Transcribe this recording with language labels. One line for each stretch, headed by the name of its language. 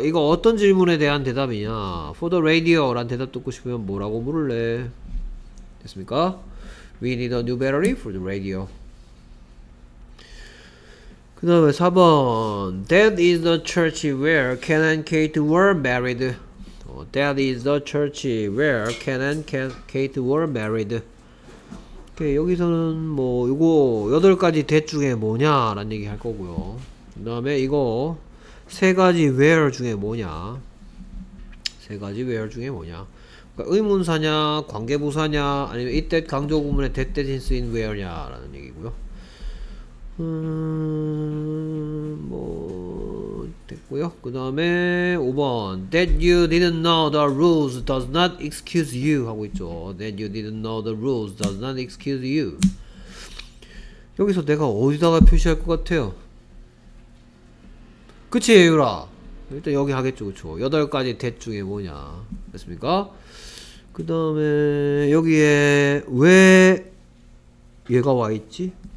Korean: 이거 어떤 질문에 대한 대답이냐?
English: for the radio
Korean: 란 대답 듣고 싶으면 뭐라고 물을래? 됐습니까?
English: we need a new battery for the radio.
Korean: 그 다음에 4번
English: that is the church where Ken and Kate were married. That is the church where Ken and Kate were married.
Korean: 오케이, 여기서는 뭐 이거 여덟 가지 대중에 뭐냐라는 얘기 할 거고요. 그 다음에 이거 세 가지 where 중에 뭐냐? 세 가지 where 중에 뭐냐? 그러니까 의문사냐, 관계부사냐, 아니면 이때 강조 구문에 that 대신 쓰인 where냐라는 얘기고요. 뭐 됐고요. 그 다음에 5번
English: that you didn't know the rules does not excuse you
Korean: 하고 있죠.
English: that you didn't know the rules does not excuse you.
Korean: 여기서 내가 어디다가 표시할 것 같아요? 그치 예유라? 일단 여기 하겠죠. 그렇죠. 여덟 가지 that 중에 뭐냐 됐습니까? 그 다음에 여기에 왜 얘가 와 있지?